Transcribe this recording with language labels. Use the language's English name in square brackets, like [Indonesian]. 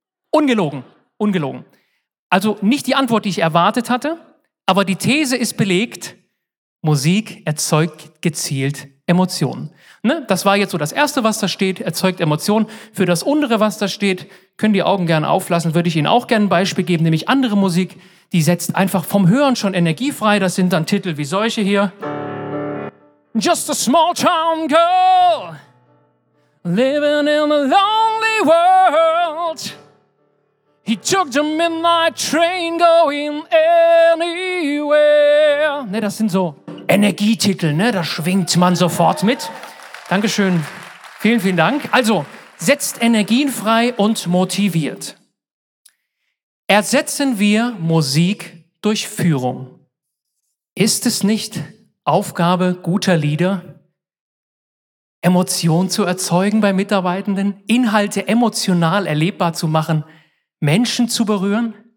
[German] Ungelogen, ungelogen. Also nicht die Antwort, die ich erwartet hatte, aber die These ist belegt, Musik erzeugt gezielt Emotionen. Ne? Das war jetzt so das Erste, was da steht, erzeugt Emotionen. Für das Untere, was da steht, können die Augen gerne auflassen, würde ich Ihnen auch gerne ein Beispiel geben, nämlich andere Musik, die setzt einfach vom Hören schon Energie frei. Das sind dann Titel wie solche hier. [English] Just a small town girl, living in a lonely world. He took the midnight train going anywhere. [German] Ne, das sind so Energietitel, ne? Da schwingt man sofort mit. Dankeschön. Vielen, vielen Dank. Also, setzt Energien frei und motiviert. Ersetzen wir Musik durch Führung. Ist es nicht Aufgabe guter Lieder, Emotionen zu erzeugen bei Mitarbeitenden, Inhalte emotional erlebbar zu machen, Menschen zu berühren?